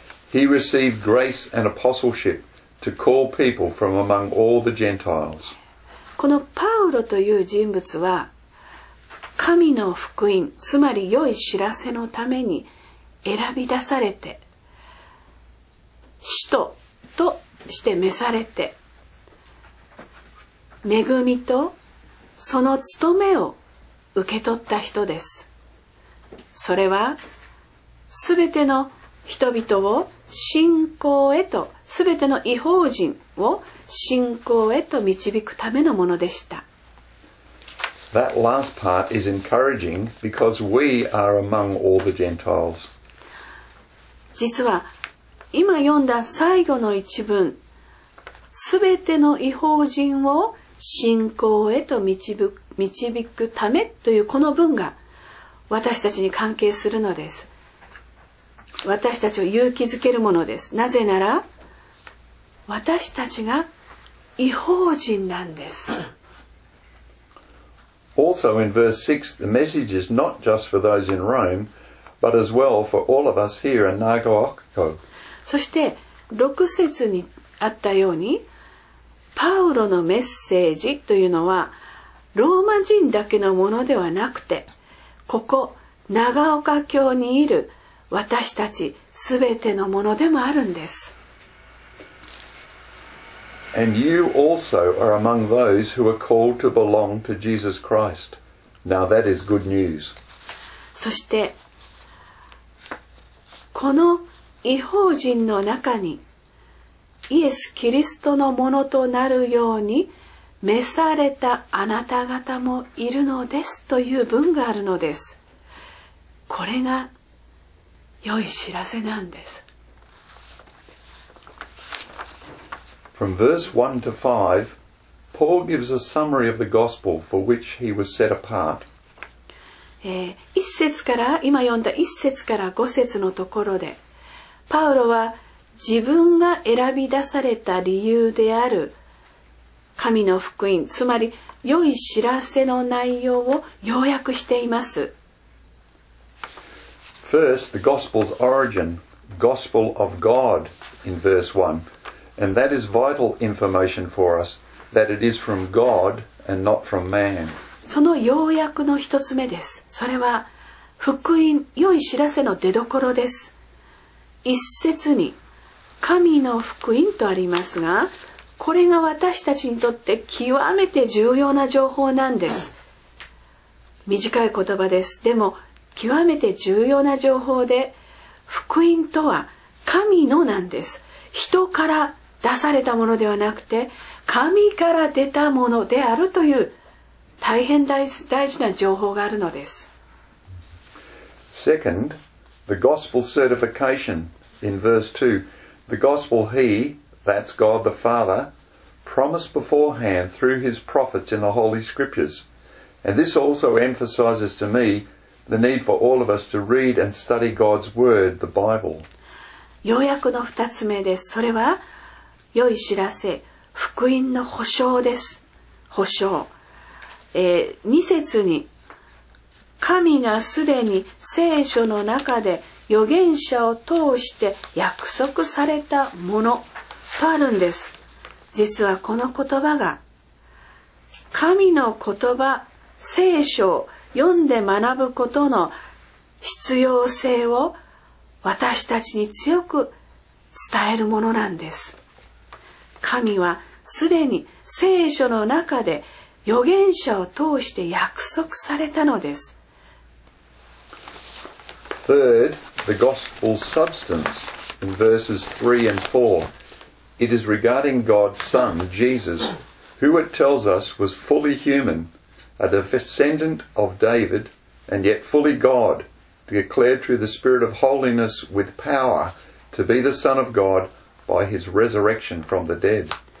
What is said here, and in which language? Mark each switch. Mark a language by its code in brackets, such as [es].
[en] He received grace and apostleship to call people from among all the Gentiles. [ja] このパウロという人物は、神の福音、つまり良い知らせのために選び出されて、使徒として召されて、恵みとその務めを受け取った人です。それはすべての人々を信仰へと、すべての異邦人を信仰へと導くためのものでした。 [en] That last part is encouraging because we are among all the Gentiles. [ja] 実は今読んだ最後の一文、すべての異邦人を信仰へと導くためというこの文が私たちに関係するのです。私たちを勇気づけるものです。なぜなら私たちが異邦人なんです。 [en] Also in verse 6 the message is not just for those in Rome but as well for all of us here in Nagaoka. [ja] そして6節にあったようにパウロのメッセージというのはローマ人だけのものではなくて、ここ長岡教にいる私たちすべてのものでもあるんです。 [en] And you also are among those who are called to belong to Jesus Christ. Now that is good news. [ja] そしてこの異邦人の中にイエス・キリストのものとなるように召されたあなた方もいるのですという文があるのです。これが良い知らせなんです。 [en] From verse 1 to 5 Paul gives a summary of the gospel for which he was set apart. [ja] 1節から今読んだ1節から5節のところでパウロは自分が選び出された理由である神の福音、つまり良い知らせの内容を要約しています。 [en] First, the gospel's origin, gospel of God, in verse 1. And that is vital information for us, that it is from God and not from man. [ja] その要約の一つ目です。それは福音、良い知らせの出どころです。一節に、神の福音とありますが、これが私たちにとって極めて重要な情報なんです。短い言葉です。でも、極めて重要な情報で、福音とは神のなんです。人から出されたものではなくて神から出たものであるという大変大事な情報があるのです。 [en] Second, the gospel certification in verse 2. The gospel he, that's God the Father, promised beforehand through his prophets in the Holy Scriptures. And this also emphasizes to me the need for all of us to read and study God's word, the Bible. [ja] 要約の二つ目です。それは良い知らせ、福音の保証です。保証。二節に神がすでに聖書の中で預言者を通して約束されたものとあるんです。実はこの言葉が神の言葉聖書を読んで学ぶことの必要性を私たちに強く伝えるものなんです。神はすでに聖書の中で預言者を通して約束されたのです。 [en] Third, the gospel substance in verses 3 and 4. It is regarding God's Son, Jesus, who it tells us was fully human, a descendant of David, and yet fully God, declared through the Spirit of holiness with power to be the Son of God by his resurrection from the dead.